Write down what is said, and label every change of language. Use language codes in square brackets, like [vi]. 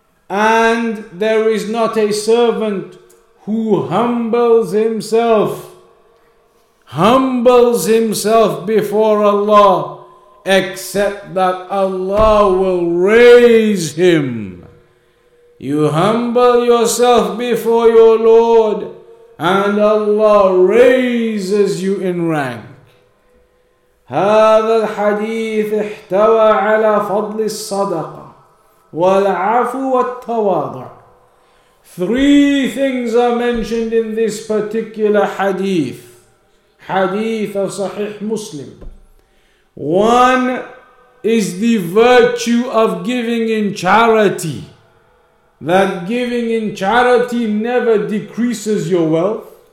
[en] And there is not a servant who humbles himself before Allah, except that Allah will raise him. You humble yourself before your Lord, and Allah raises you in rank. [ar] هذا الحديث احتوى على فضل الصدقة والعفو والتواضع. [en] Three things are mentioned in this particular hadith. Hadith of Sahih Muslim. One is the virtue of giving in charity. That giving in charity never decreases your wealth.